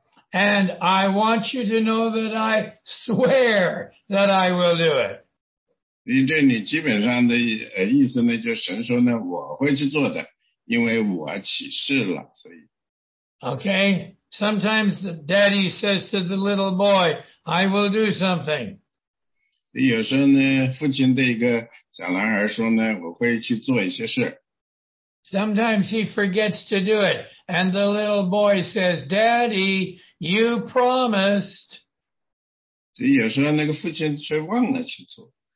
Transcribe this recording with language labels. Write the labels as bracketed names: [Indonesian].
[English] And I want you to know that I swear that I will do it. [Chinese] 你这里基本上的意思呢，就神说呢，我会去做的，因为我启示了，所以。 [English] Okay, sometimes the daddy says to the little boy, I will do something. [Chinese] 有时候呢，父亲对一个小男孩说呢，我会去做一些事。 [English] Sometimes he forgets to do it, and the little boy says, Daddy, you promised. [Chinese] 有时候那个父亲却忘了去做。